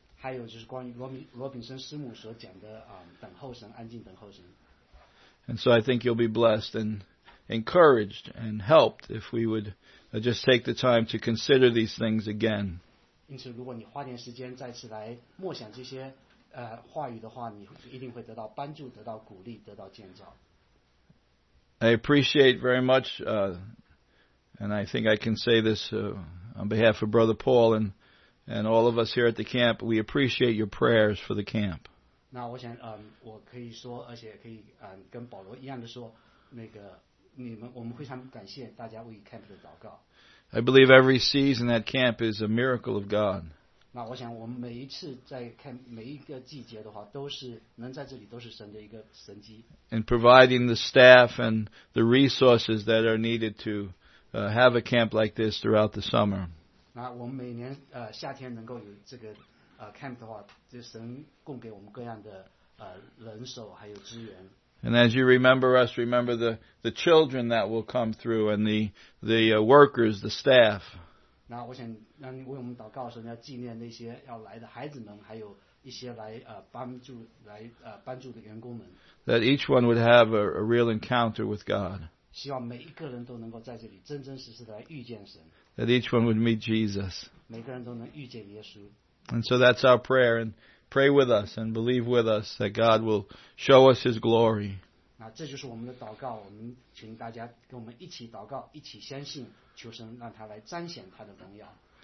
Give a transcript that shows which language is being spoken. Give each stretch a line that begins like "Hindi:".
Chinese: 还有就是关于罗炳森师母所讲的等候神，安静等候神。
English: And so I think you'll be blessed and encouraged and helped if we would just take the time to consider these things again.
Chinese: 因此，如果你花点时间再次来默想这些话语的话，你一定会得到帮助，得到鼓励，得到建造。
English: I appreciate very much, and I think I can say this on behalf of Brother Paul and all of us here at the camp, we appreciate your prayers for the camp.
Chinese: 那我想，我可以说，而且可以，跟保罗一样的说，那个你们，我们非常感谢大家为 camp 的祷告。
English: I believe every season at camp is a miracle of God.
Chinese: 那我想，我们每一次在 camp 每一个季节的话，都是能在这里都是神的一个神迹。
English: And providing the staff and the resources that are needed to have a camp like this throughout the summer.
Chinese: 那我们每年夏天能够有这个camp 的话，就神供给我们各样的人手还有资源。
English: And as you remember us, remember the children that will come through and the workers, the staff.
Chinese: 那我想让你为我们祷告的时候，要纪念那些要来的孩子们，还有。一些来帮助的员工们
English: that each one would have a real encounter with God.
Chinese: 希望每一个人都能够在这里真真实实的来遇见神。
English: That each one would meet Jesus.
Chinese: 每个人都能遇见耶稣。
English: And so that's our prayer. And pray with us and believe with us that God will show us His glory.
Chinese: 那这就是我们的祷告。我们请大家跟我们一起祷告，一起相信，求神让他来彰显他的荣耀。